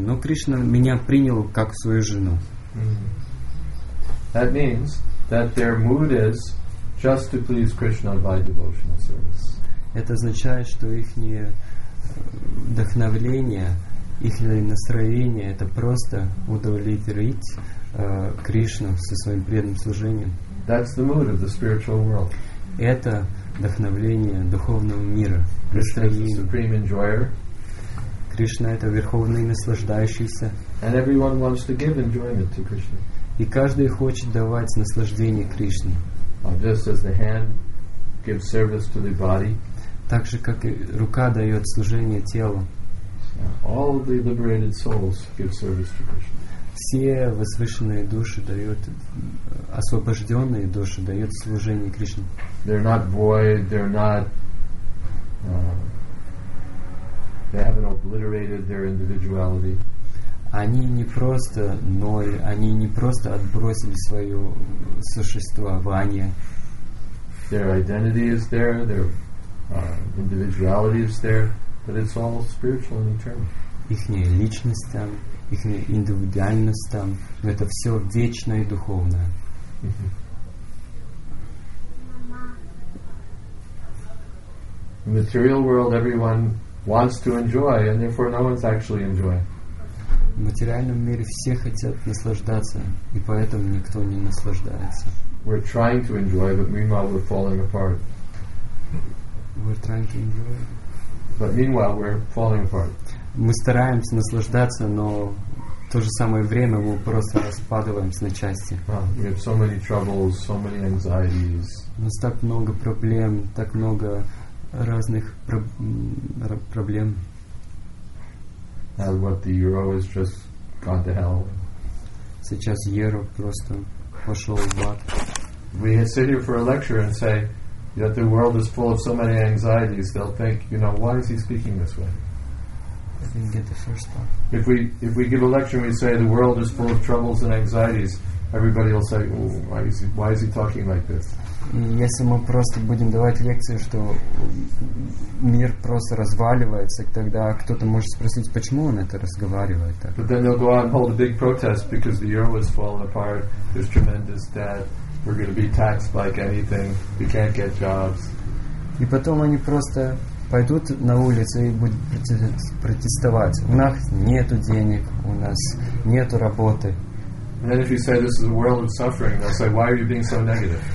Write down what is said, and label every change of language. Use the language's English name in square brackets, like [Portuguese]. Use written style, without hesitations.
[Russian] Но Кришна меня принял как свою жену. [English] That means that their mood is just to please Krishna by devotional service. [Russian] Это означает, что их вдохновение, их настроение — это просто удовлетворить Кришну со своим преданным служением. [English] That's the mood of the spiritual world. [Russian] Это вдохновение духовного мира. [English] Krishna is the supreme enjoyer. [Russian] Кришна — это верховный наслаждающийся. [English] And everyone wants to give enjoyment to Krishna. [Russian] И каждый хочет давать наслаждение Кришне. [English] Just as the hand gives service to the body. [Russian] Так же, как и рука дает служение телу. [English] All the liberated souls give service to Krishna. [Russian] Все возвышенные души дают, освобожденные души дают служение Кришне. [English] They're not void, they're not they haven't obliterated their individuality. [Russian] Они не просто ноль, они не просто отбросили свое существование. [English] Their identity is there, their individuality is there, but it's all spiritual and eternal. [Russian] Ихняя личность там, ихняя индивидуальность там, но это все вечное и духовное. [English] The material world everyone wants to enjoy, and therefore no one's actually enjoying. [Russian] В материальном мире все хотят наслаждаться, и поэтому никто не наслаждается. [English] We're trying to enjoy, but meanwhile we're falling apart. We're trying to enjoy, but meanwhile we're falling apart. [Russian] Мы стараемся наслаждаться, но в то же самое время мы просто распадываемся на части. [English] Well, we have so many troubles, so many anxieties. [Russian] У нас так много проблем, так много разных проблем. [English] And what, the euro has just gone to hell. [Russian] Сейчас евро просто пошел в ад. [English] We sit here for a lecture and say that the world is full of so many anxieties. They'll think, you know, why is he speaking this way? I didn't get the first part. If we give a lecture and we say the world is full of troubles and anxieties, everybody will say, oh, why is he talking like this? [Russian] Если мы просто будем давать лекции, что мир просто разваливается, тогда кто-то может спросить, почему он это разговаривает так. [English] But then they'll go out and hold a big protest because the euro is falling apart, there's tremendous debt, we're going to be taxed like anything, we can't get jobs. [Russian] И потом они просто пойдут на улицу и будут протестовать. У нас нету денег, у нас нету работы. [English] And then if you say this is a world of suffering, they'll say, why are you being so negative?